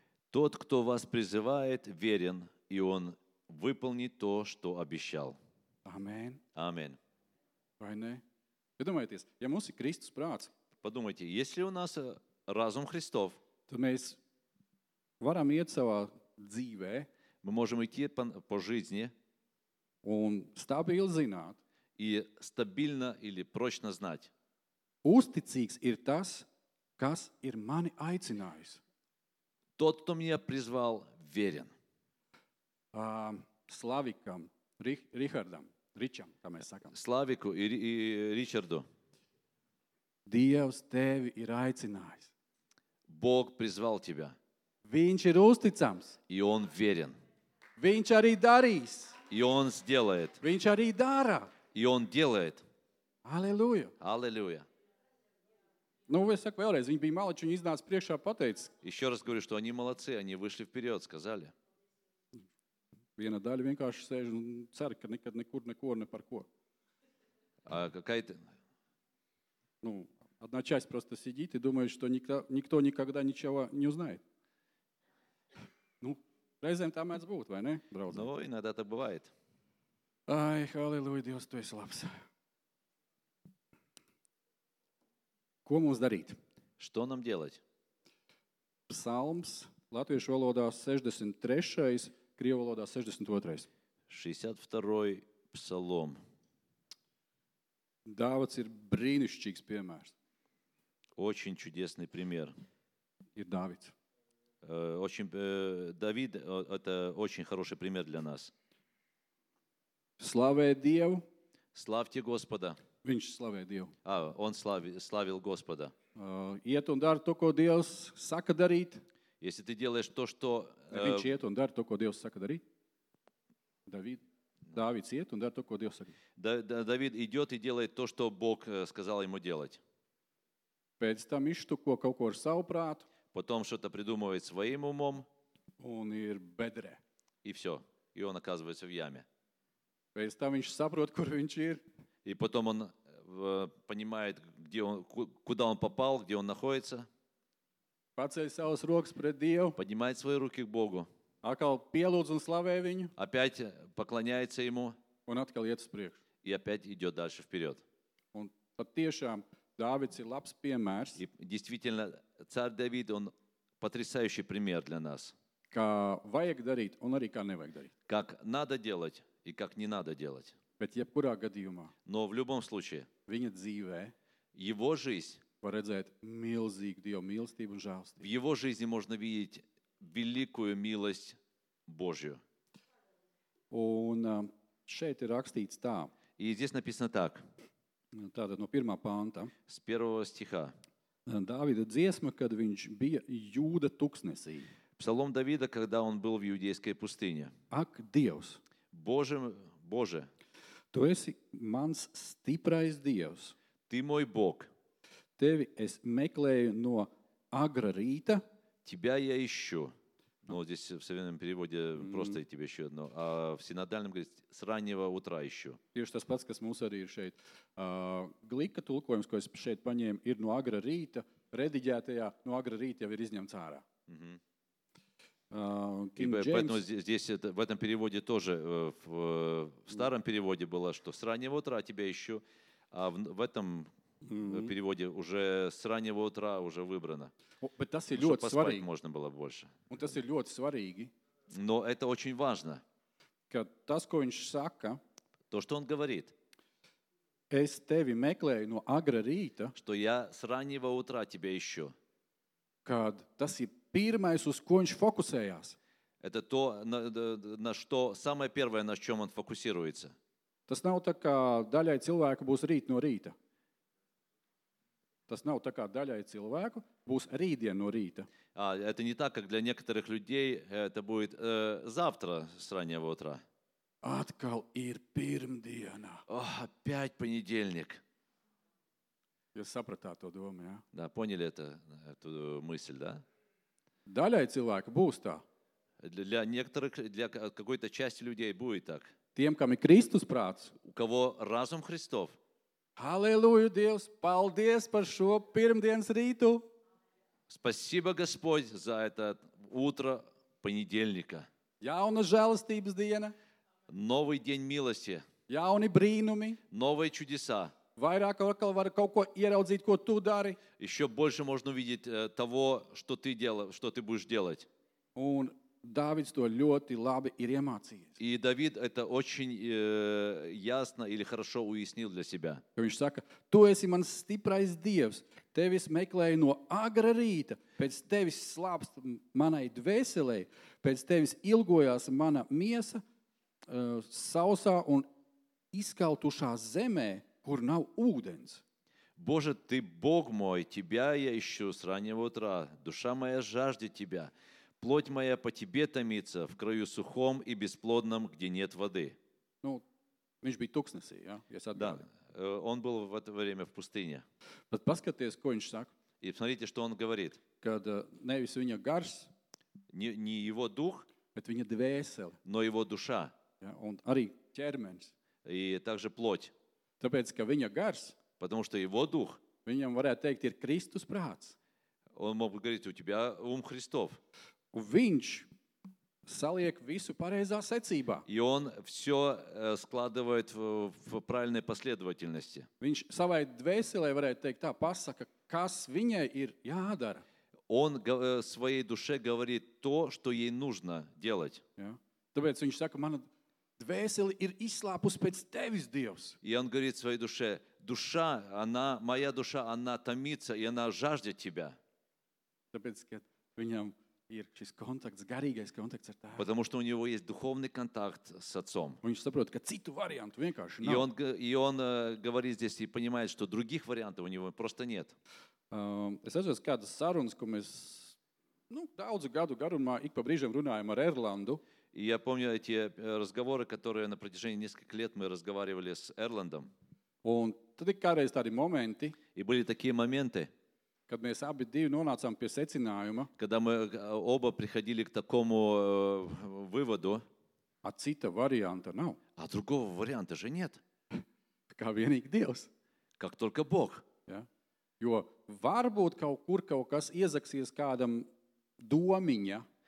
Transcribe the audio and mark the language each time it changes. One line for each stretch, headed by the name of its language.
Russian: Тот, кто вас призывает, верен, и он выполнит то, что обещал.
Latvian: Amen. Amen. Vai ne? Iedomājieties, ja mums ir Kristus prāts.
Russian: Подумайте, если у нас разум Христов.
Latvian: То mēs varam iet savā dzīvē.
Russian: Мы можем идти по жизни.
Latvian: Un stabili zināt.
Russian: И стабильно или прочно знать.
Latvian: Uzticīgs ir tas, kas ir mani aicinājis.
Russian: Тот, кто меня призвал, верен. Славикам, Рихардам, Ричам, как мы сакам. Славику и Ричарду.
Latvian: Dievs tevi ir aicinājis.
Russian: Бог призвал тебя.
Latvian: Viņš ir uzticams.
Russian: И он верен.
Latvian: Viņš arī darīs.
Russian: И он сделает.
Latvian: Viņš arī dara.
Russian: И он делает. Аллилуйя. Аллилуйя. Ну, я скажу еще раз, они были молодцы, они изназ прежде потец. Еще раз говорю, что они молодцы, они вышли вперед, сказали.
Latvian: Viena daļa vienkārši sēž un cer, ka nekad nekur neko ne par ko.
Russian: А какая-то? Ну, одна часть просто сидит и думает, что никто никогда ничего не узнает.
Latvian: Ну, reizēm tā mēdz būt, vai ne, draudz?
Russian: Ну, иногда так бывает.
Latvian: Ай, халилуй, Dievs, Tu esi labs. Ko mums darīt?
Russian: Что нам делать?
Latvian: Psalms, latviešu valodā 63, krievu valodā 62.
Russian: 62. Psalom.
Latvian: Dāvids ir brīnišķīgs piemērs.
Russian: Очень чудесный пример.
Latvian: Ir Dāvids.
Russian: Давид – это очень хороший пример для нас. Славе Дьяву. Славьте Господа.
Latvian: Viņš slavē Dievu.
Russian: Он славил Господа.
Latvian: Iet un dar to, ko Dievs saka darīt.
Russian: Если ты делаешь то, что...
Latvian: Viņš iet un dar to, ko Dievs saka darīt. Dāvids iet un dar to, ko Dievs saka.
Russian: Давид идет и делает то, что Бог сказал ему делать.
Latvian: Pēc tam ištuko kaut ko ar savu prātu.
Russian: Потом что-то придумывает своим умом.
Latvian: Un ir bedrē.
Russian: И все. И он оказывается в яме.
Latvian: Pēc tam viņš saprot, kur viņš ir.
Russian: И потом он понимает, где он, куда он попал, где он находится.
Latvian: Pacēj savas rokas pret Dievu.
Russian: Поднимает свои руки к Богу.
Latvian: Atkal pielūdz un slavē viņu.
Russian: Опять поклоняется ему.
Latvian: Un atkal iet uz priekšu.
Russian: И опять идёт дальше вперёд.
Latvian: Un patiešām Dāvids ir labs piemērs.
Russian: И действительно царь Давид он потрясающий пример для нас.
Latvian: Kā vajag darīt un arī kā nevajag darīt.
Russian: Как надо делать и как не надо делать.
Latvian: Bet jebkurā gadījumā.
Russian: Но в любом случае.
Latvian: Viņa dzīvē.
Russian: Его жизнь.
Latvian: Var redzēt milzīgu Dieva mīlestību un žēlstību.
Russian: В его жизни можно видеть великую милость Божью.
Latvian: Un šeit ir rakstīts tā.
Russian: И здесь написано так.
Latvian: Tātad no pirmā panta.
Russian: С первого стиха.
Latvian: Dāvida dziesma, kad viņš bija Jūda tuksnesī.
Russian: Псалом Давида, когда он был в иудейской пустыне.
Latvian: Ak, Dievs.
Russian: Боже, Боже.
Latvian: Tu esi mans stiprais Dievs.
Russian: Ты мой Бог.
Latvian: Tevi es meklēju no agra rīta.
Russian: Тебя я ищу. Но здесь в современном переводе просто я тебя ищу. Но, а в синодальном говорит, с раннего утра ищу.
Latvian: Tieši tas pats, kas mums arī ir šeit. Glika tulkojums, ko es šeit paņēmu, ir no agra rīta. Rediģētajā no agra rīta jau ir izņemts ārā.
Russian: Поэтому здесь это, в этом переводе тоже, в старом переводе было, что с раннего утра тебя ищу, а в этом... Mm-hmm. переводе уже с раннего утра уже выбрано.
Latvian: Bet tas ir ļoti svarīgi.
Russian: Можно было больше.
Latvian: Un tas ir ļoti svarīgi.
Russian: Но это очень важно.
Latvian: Kad tas, ko viņš saka,
Russian: то, что он говорит,
Latvian: es tevi meklēju no agra rīta,
Russian: что я с раннего утра тебя ищу.
Latvian: Kad tas ir pirmais, uz ko viņš fokusējās.
Russian: Это то, на что самое первое, на чём он фокусируется.
Latvian: Tas nav tā, kā daļai cilvēku būs rīt no rīta. Tas nav tā kā daļai cilvēku, būs rītdien no rīta.
Russian: Это не так, как для некоторых людей это будет завтра с раннего утра.
Latvian: Atkal ir pirmdiena.
Russian: Oh, опять понедельник.
Latvian: Jūs sapratāt to domu, jā?
Russian: Да, поняли эту мысль, да?
Latvian: Daļai cilvēku būs tā.
Russian: Для некоторых, для какой-то части людей будет так.
Latvian: Tiem, kam ir Kristus prāts.
Russian: У кого разум Христов.
Latvian: Аллилуйя, Dievs, paldies par šo pirmdienas rītu.
Russian: Спасибо, Господь, за это утро понедельника.
Latvian: Jauna žēlastības diena.
Russian: Новый день милости.
Latvian: Jauni brīnumi.
Russian: Новые чудеса.
Latvian: Vairāk atkal var kaut ko ieraudzīt, ko tu dari.
Russian: Еще больше можно увидеть того, что ты будешь делать.
Latvian: Un Dāvids to ļoti labi ir iemācījies.
Russian: И Давид это очень ясно или хорошо уяснил для себя.
Latvian: Viņš saka, tu esi mans stiprais Dievs, tevis meklēju no agra rīta, pēc tevis slāpst manai dvēselei, pēc tevis ilgojās mana miesa sausā un izkaltušā zemē, kur nav ūdens.
Russian: Боже, ты Бог мой, тебя я ищу с раннего утра, душа моя жаждет тебя. Плоть моя по тебе томится в краю сухом и бесплодном, где нет воды.
Latvian: Ну, viņš bija tuksnesī, ja? Es atbildu.
Russian: Да, он был в это время в пустыне.
Latvian: Bet paskaties, ko viņš saka.
Russian: И посмотрите, что он говорит.
Latvian: Kad nevis viņa gars,
Russian: не его дух,
Latvian: bet viņa dvēsele,
Russian: но его душа.
Latvian: Ja, un arī ķermenis.
Russian: И также плоть.
Latvian: Tāpēc, ka viņa gars,
Russian: потому что его дух,
Latvian: viņam varētu teikt, ir Kristus prāts.
Russian: Он мог бы говорить, у тебя ум Христов.
Latvian: Viņš saliek visu pareizā secībā.
Russian: И он все складывает в правильной последовательности.
Latvian: Viņš savai dvēselē varētu teikt tā, pasaka, kas viņai ir jādara.
Russian: Он своей душе говорит то, что ей нужно делать.
Latvian: Ja. Tāpēc viņš saka, mana dvēsele ir izslāpus pēc tevis, Dievs.
Russian: И он говорит своей душе, душа, она, моя душа, она томится, и она жаждет тебя.
Latvian: Tāpēc, ka viņam ir šis kontakts, garīgais kontakts ar tēvu.
Russian: Потому что у него есть духовный контакт с отцом.
Latvian: Un viņš saprot, ka citu variantu vienkārši nav.
Russian: И он говорит здесь и понимает, что других вариантов у него просто нет.
Latvian: Es atceros kādas sarunas, ko mēs daudzu gadu garumā ik pa brīžiem runājam ar Erlandu.
Russian: И я помню эти разговоры, которые на протяжении нескольких лет мы разговаривали с Эрландом.
Latvian: Un tad ir kādreiz tādi momenti.
Russian: И были такие моменты.
Latvian: Kad mēs abi divi nonācām pie secinājuma.
Russian: Когда мы оба приходили к такому выводу.
Latvian: А cita варианта нав.
Russian: А другого варианта же нет.
Latvian: Kā vienīgi Dievs.
Russian: Как только Бог.
Latvian: Ja? Jo varbūt kaut kur kaut kas iezaksies kādam domiņa.